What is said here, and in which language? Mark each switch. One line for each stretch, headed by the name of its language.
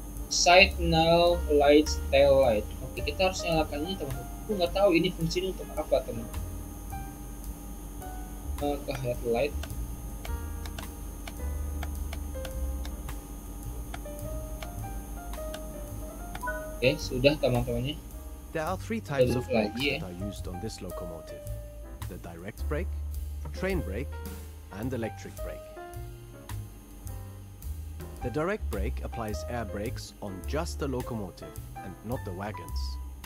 English: Side now lights tail light.
Indonesian: Oke, kita harus nyalakan ini teman-teman. Aku nggak tahu ini fungsinya untuk apa teman-teman. Ke headlight. Oke, sudah teman-temannya.
English: There are three types of brakes that are used on this locomotive. The direct brake, train brake, and electric brake. The direct brake applies air brakes on just the locomotive and not the wagons.